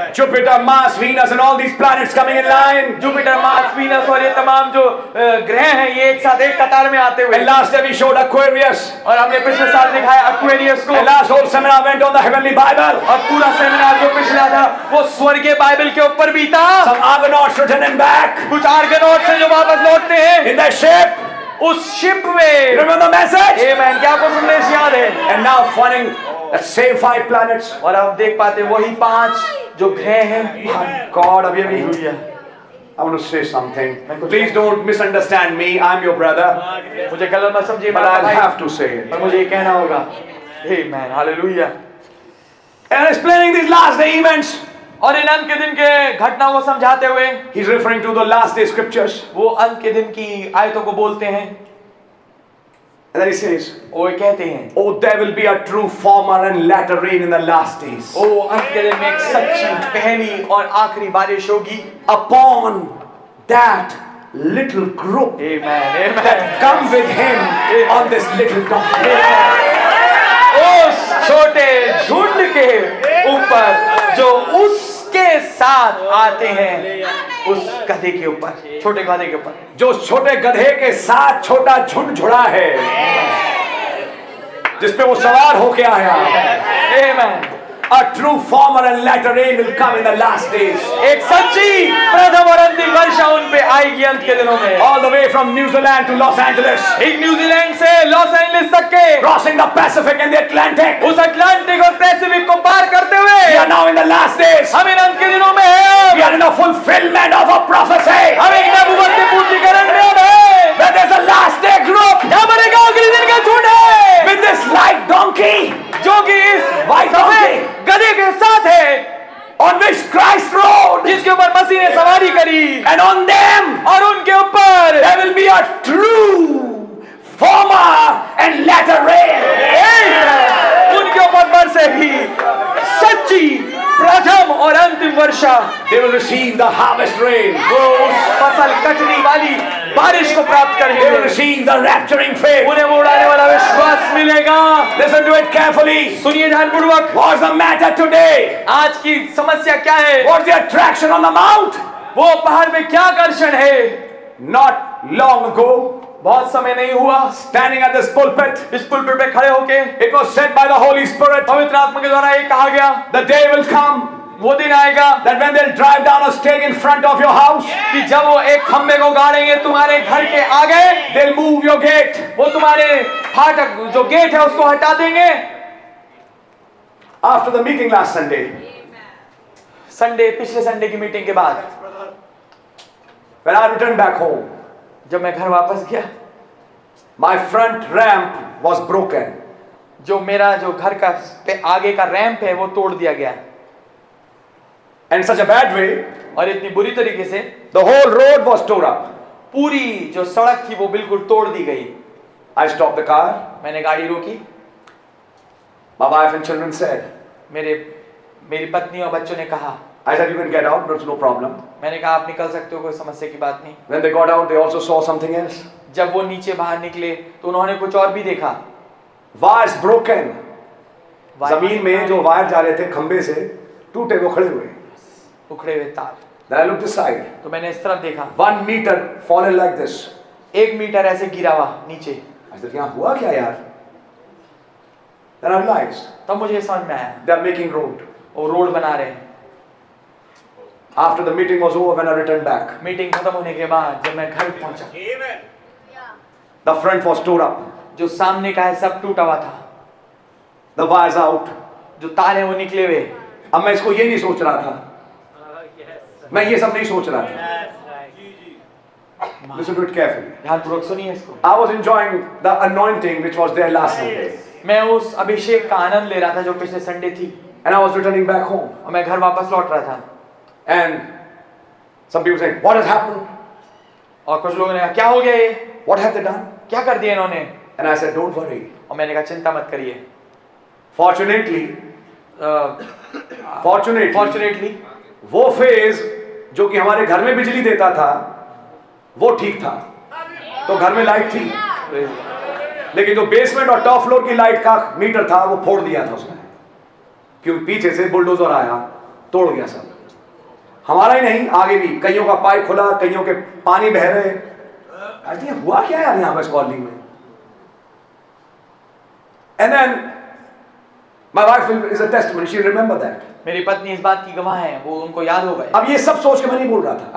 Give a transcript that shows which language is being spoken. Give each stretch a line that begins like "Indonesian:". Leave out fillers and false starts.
English: Jupiter, Mars, Venus, and all these planets coming in line.
Hindi: Jupiter, Mars, Venus और ये तमाम जो ग्रह हैं ये एक साथ एक कतार में आते हुए.
English: And last time we showed Aquarius.
Hindi: और हमने पिछले साल दिखाया Aquarius को.
English: And last whole seminar went on the heavenly Bible.
Hindi: और पूरा सेमिनार जो पिछला था वो स्वर्गीय बाइबल के ऊपर बीता.
English: Some Argonauts returning back.
Hindi: कुछ Argonauts हैं जो वापस लौटते हैं.
English: In their ship.
Hindi: उस शिप में.
English: Remember the message?
Hindi: Amen. क्या आपको संदेश याद है?
English: And now finding the same five planets.
Hindi: और आप देख पाते वही पांच जो ग्रह हैं.
English: My God,
Hindi: अभी अभी हुई है.
English: I want to say something. Please don't misunderstand me. I'm your brother.
Hindi: मुझे गलत मत समझिए.
English: But I'll have to say it.
Hindi: पर मुझे ये कहना होगा. Amen. Hallelujah.
English: And explaining these last day events.
Hindi: और इन अंत के दिन के घटना को समझाते हुए,
English: he is referring to the last day scriptures.
Hindi: वो अंत के दिन की आयतों को बोलते हैं.
English: And then he says,
Hindi: और कहते हैं,
English: oh, there will be a true former and latter rain in the last days.
Hindi: ओ अंत के दिन में एक सच्ची पहली और आखिरी बारिश होगी.
English: Upon that little group, amen, amen, that comes with him, amen, on this little donkey.
Hindi: उस छोटे झुंड के ऊपर जो उसके साथ आते हैं. उस गधे के ऊपर, छोटे गधे के ऊपर, जो छोटे गधे के साथ छोटा झुंड झुड़ा है जिसपे वो सवार होके आया. आमेन.
English: A true former and latter rain will come in the last days.
Hindi: एक सच्ची प्रथम और अंतिम वर्षा उन पे आएगी अंत के दिनों में.
English: All the way from New Zealand to Los Angeles.
Hindi: एक न्यूजीलैंड से लॉस एंजलिस तक के.
English: Crossing the Pacific and the Atlantic.
Hindi: उस अटलांटिक और पैसिफिक को पार करते हुए.
English: We are now in the last days.
Hindi: हम इन अंत के दिनों में हैं.
English: We are in the fulfillment of a prophecy.
Hindi: हम एक नबूवत के पूर्तिकरण में अब हैं.
English: That there's a last day group.
Hindi: यहाँ बनेगा अगले दिन का झुंड है.
English: With this light donkey.
Hindi: जो कि इस
English: white donkey.
Hindi: गधे के साथ है.
English: On which Christ rode.
Hindi: जिसके ऊपर मसीह ने सवारी करी.
English: And on them.
Hindi: और उनके ऊपर.
English: There will be a true former and latter rain.
Hindi: उनके ऊपर बरसेगी सच्ची प्रथम और अंतिम वर्षा.
English: They will receive the harvest rain.
Hindi: वो उस फसल कटनी वाली बारिश को प्राप्त करेंगे.
English: They will receive the rapturing faith.
Hindi: उन्हें वो उड़ाने वाला विश्वास मिलेगा.
English: Listen to it carefully.
Hindi: सुनिए ध्यानपूर्वक.
English: What's the matter today?
Hindi: आज की समस्या क्या है?
English: What's the attraction on the mount?
Hindi: वो पहाड़ में क्या आकर्षण है?
English: Not long ago.
Hindi: बहुत समय नहीं हुआ.
English: Standing at this pulpit.
Hindi: इस पुलपिट पे खड़े होके.
English: It was said by the holy spirit.
Hindi: पवित्र आत्मा के द्वारा ये कहा गया.
English: The day will come.
Hindi: वो दिन आएगा.
English: That when they'll drive down a stake in front of your house.
Hindi: कि जब वो एक खंभे को गाड़ेंगे तुम्हारे घर के आगे.
English: They'll move your gate.
Hindi: वो तुम्हारे फाटक जो गेट है उसको हटा देंगे.
English: After the meeting last Sunday.
Hindi: Sunday पिछले संडे की मीटिंग के बाद.
English: When I returned back home,
Hindi: जब मैं घर वापस गया,
English: my front ramp was broken.
Hindi: जो मेरा जो घर का पे आगे का रैंप है वो तोड़ दिया गया.
English: In such a bad way.
Hindi: और इतनी बुरी तरीके से.
English: The whole road was tore up.
Hindi: पूरी जो सड़क थी वो बिल्कुल तोड़ दी गई.
English: I stopped the car.
Hindi: मैंने गाड़ी रोकी.
English: My wife and children said.
Hindi: मेरी पत्नी और बच्चों ने कहा.
English: I said you can get out. There's no problem.
Hindi: मैंने कहा आप निकल सकते हो, कोई समस्या की बात नहीं.
English: When they got out, they also saw something else.
Hindi: जब वो नीचे बाहर निकले तो उन्होंने कुछ और भी देखा.
English: Wires broken.
Hindi: जमीन में जो वायर जा रहे थे खंबे से टूटे, वो खड़े हुए. उखड़े हुए तार.
English: Then I looked aside.
Hindi: तो मैंने इस तरफ देखा.
English: 1 meter fallen like this.
Hindi: एक मीटर ऐसे गिरा हुआ नीचे.
English: I said,
Hindi: क्या हुआ क्या यार?
English: Then I realized.
Hindi: तब मुझे समझ में आया.
English: They are making road.
Hindi: वो रोड बना रहे हैं.
English: After the meeting was over, when I returned back.
Hindi: Meeting खत्म होने के बाद जब मैं घर पहुंचा.
English: Amen. The front was tore up.
Hindi: जो सामने का है सब टूटा हुआ था.
English: The wires out.
Hindi: जो तार है वो निकले हुए. अब मैं इसको ये नहीं सोच रहा था. मैं ये सब नहीं सोच रहा था.
English: Listen to it carefully.
Hindi: ध्यान पूर्वक सुनिए इसको.
English: I was enjoying the anointing which was there last Sunday.
Hindi: मैं उस अभिषेक का आनंद ले रहा था जो पिछले संडे थी.
English: And I was returning back home.
Hindi: और मैं घर वापस लौट रहा था.
English: And some people saying, "What has happened?"
Hindi: और कुछ लोगों ने कहा, क्या हो गया ये?
English: What have they done?
Hindi: क्या कर दिया इन्होंने?
English: And I said, "Don't worry."
Hindi: और मैंने कहा, चिंता मत करिए. Fortunately, वो फेज जो कि हमारे घर में बिजली देता था, वो ठीक था. तो घर में लाइट थी. लेकिन जो बेसमेंट और टॉप फ्लोर की लाइट का मीटर था, वो फोड़ दिया था उसने. क्योंकि पीछे से बुलडोजर आया, तोड़ गया सब. हमारा ही नहीं, आगे भी कईयों का पाइप खुला, कईयों के पानी बह रहे. अरे हुआ क्या यार यहां पर इस कॉलिंग में?
English: And then my wife is a testimony. She remember that.
Hindi: मेरी पत्नी इस बात की गवाह है, वो उनको याद हो गए. अब ये सब सोच के मैं नहीं बोल रहा था.